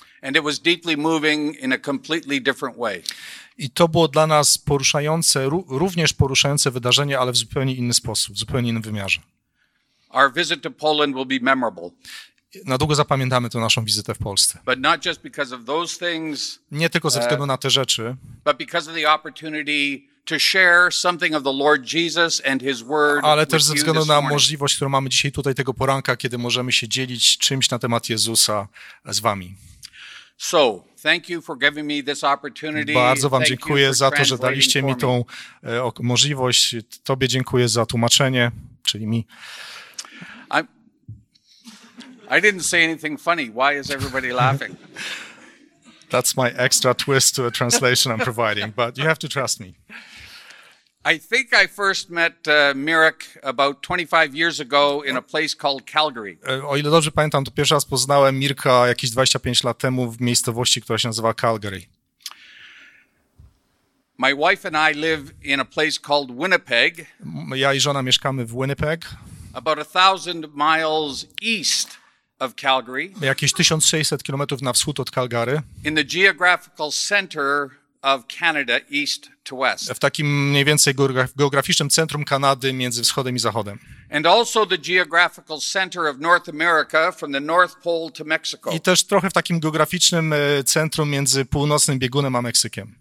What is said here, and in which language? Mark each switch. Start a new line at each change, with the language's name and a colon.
English: And it was deeply moving in a completely different way.
Polish: I to było dla nas poruszające, również poruszające wydarzenie, ale w zupełnie inny sposób, w zupełnie innym wymiarze.
English: Our visit to Poland will be memorable.
Polish: Na długo zapamiętamy tę naszą wizytę w Polsce.
English: But not just because of those things.
Polish: Nie tylko ze względu na te rzeczy.
English: But because of the opportunity to share something of the Lord Jesus and his word.
Polish: Ale też ze względu na możliwość, którą mamy dzisiaj tutaj tego poranka, kiedy możemy się dzielić czymś na temat Jezusa z wami.
English: So, thank you for giving me this opportunity.
Polish: Bardzo wam dziękuję za to, że daliście mi tą możliwość. Tobie dziękuję za tłumaczenie, czyli mi.
English: I didn't say anything funny. Why is everybody laughing? That's my extra twist to a translation I'm providing, but you have to trust me. I think I first met Mirek about 25 years ago in a place called Calgary.
Polish: O ile dobrze pamiętam, to pierwszy raz poznałem Mirka jakieś 25 lat temu w miejscowości, która się nazywa Calgary.
English: My wife and I live in a place called Winnipeg.
Polish: Ja i żona mieszkamy w Winnipeg.
English: About 1,000 miles east of Calgary.
Polish: Jakieś 1600 kilometrów na wschód od Calgary.
English: In the geographical center of Canada, east to west.
Polish: W takim mniej więcej geograficznym centrum Kanady między wschodem i zachodem.
English: And also the geographical center of North America from the North Pole to Mexico.
Polish: I też trochę w takim geograficznym centrum między północnym biegunem a Meksykiem.